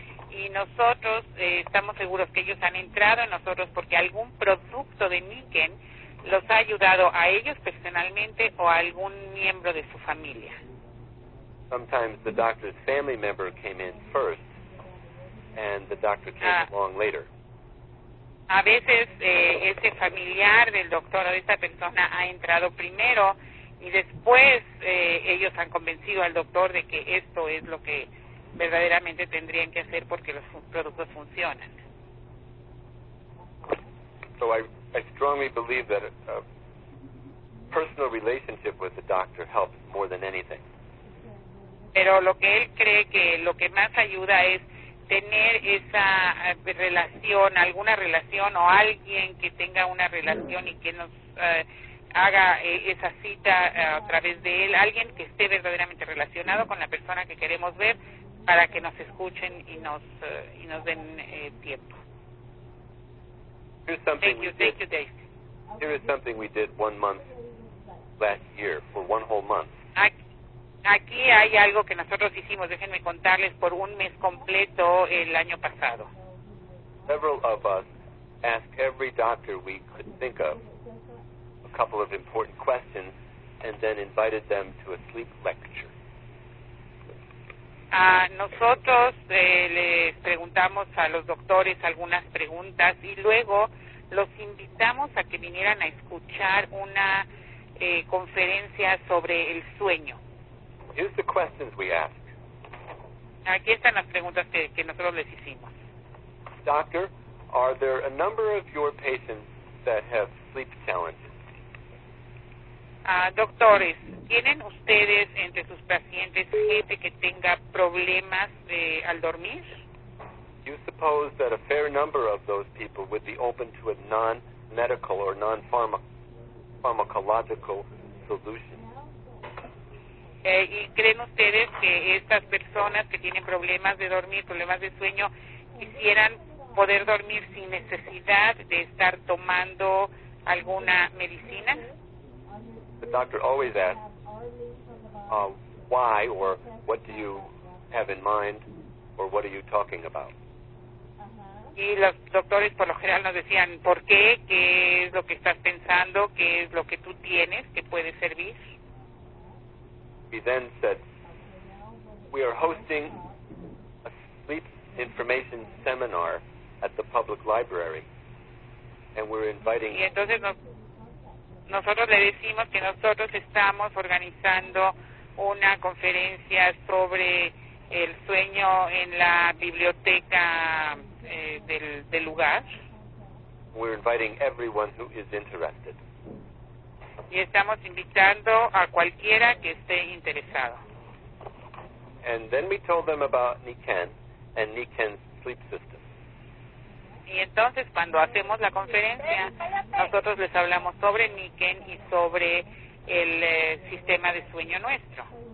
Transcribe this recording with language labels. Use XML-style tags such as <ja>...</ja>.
<es>Y nosotros estamos seguros que ellos han entrado en nosotros porque algún producto de Niken los ha ayudado a ellos personalmente o a algún miembro de su familia.</es> <en>Sometimes the doctor's family member came in first. And the doctor came along later.</en> <es>A veces ese familiar del doctor o de esa persona ha entrado primero y después ellos han convencido al doctor de que esto es lo que verdaderamente tendrían que hacer porque los productos funcionan.</es> <en>So I strongly believe that a personal relationship with the doctor helps more than anything.</en> <es>Pero lo que él cree que lo que más ayuda es tener esa relación, alguna relación o alguien que tenga una relación y que nos haga esa cita a través de él, alguien que esté verdaderamente relacionado con la persona que queremos ver para que nos escuchen y nos den tiempo.</es> <en>Here's something thank you, Dave. Here is something we did one month last year, for one whole month.</en> <es>Aquí hay algo que nosotros hicimos, déjenme contarles, por un mes completo el año pasado.</es> <en>Several of us asked every doctor we could think of a couple of important questions and then invited them to a sleep lecture.</en> <es>Nosotros les preguntamos a los doctores algunas preguntas y luego los invitamos a que vinieran a escuchar una conferencia sobre el sueño.</es> <en>Here's the questions we ask.</en> <es>Aquí están las preguntas que nosotros les hicimos.</es> <en>Doctor, are there a number of your patients that have sleep challenges?</en> <es>Doctores, ¿tienen ustedes entre sus pacientes gente que tenga problemas al dormir?</es> <en>You suppose that a fair number of those people would be open to a non-medical or non-pharmacological solution.</en> <es>¿Y creen ustedes que estas personas que tienen problemas de dormir, problemas de sueño, quisieran poder dormir sin necesidad de estar tomando alguna medicina?</es> <en>The doctor always asks, why or what do you have in mind or what are you talking about?</en> <es>Y los doctores por lo general nos decían, ¿por qué? ¿Qué es lo que estás pensando? ¿Qué es lo que tú tienes que puede servir?</es> <en>We then said, we are hosting a sleep information seminar at the public library, and we're inviting...</en> <es>Y entonces nosotros le decimos que nosotros estamos organizando una conferencia sobre el sueño en la biblioteca del lugar.</es> <en>We're inviting everyone who is interested.</en> <es>Y estamos invitando a cualquiera que esté interesado.</es> <en>And then we told them about Niken and Niken's sleep system.</en> <es>Y entonces cuando hacemos la conferencia, nosotros les hablamos sobre Niken y sobre el sistema de sueño nuestro.</es>